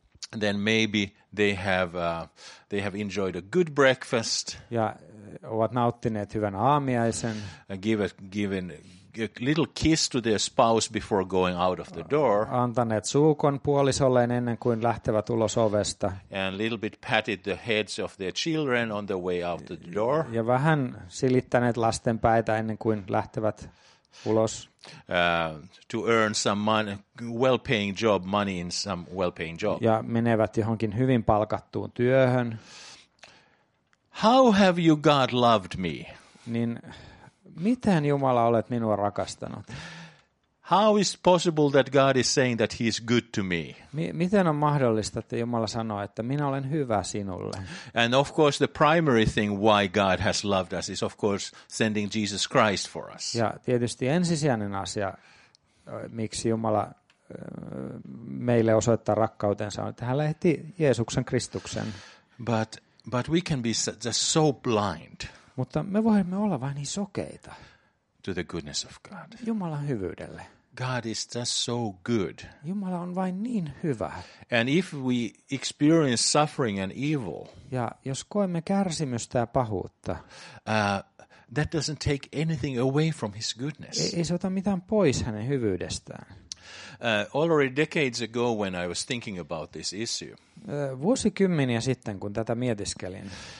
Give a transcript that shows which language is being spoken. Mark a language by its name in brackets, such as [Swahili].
[English] then maybe they have enjoyed a good breakfast. [Finnish] Ja ovat nauttineet hyvän aamiaisen. [English] Given a little kiss to their spouse before going out of the door. [Finnish] Antaneet suukon puolisolleen ennen kuin lähtevät ulos ovesta. [English] And a little bit patted the heads of their children on the way out the door. [Finnish] Ja vähän silittäneet lasten päitä ennen kuin lähtevät ulos. [English] To earn some money, well-paying job, money in some well-paying job. [Finnish] Ja menevät johonkin hyvin palkattuun työhön. [English] How have you God loved me? [Finnish] Niin miten Jumala olet minua rakastanut? [English] How is possible that God is saying that he is good to me? [Finnish] Miten on mahdollista, että Jumala sanoo, että minä olen hyvä sinulle? [English] And of course the primary thing why God has loved us is of course sending Jesus Christ for us. [Finnish] Ja tietysti ensisijainen asia, miksi Jumala meille osoittaa rakkautensa, on, että hän lähetti Jeesuksen Kristuksen. [English] But we can be just so blind. [Finnish] Mutta me voimme olla vain niin sokeita. [English] To the goodness of God. [Finnish] Jumalan hyvyydelle. [English] God is just so good. [Finnish] Jumala on vain niin hyvä. [English] And if we experience suffering and evil. [Finnish] Ja jos koemme kärsimystä ja pahuutta. [English] That doesn't take anything away from his goodness. [Finnish] Ei se ota mitään pois hänen hyvyydestään. [English] Already decades ago when I was thinking about this issue. [Finnish] Vuosikymmeniä sitten kun tätä mietiskelin.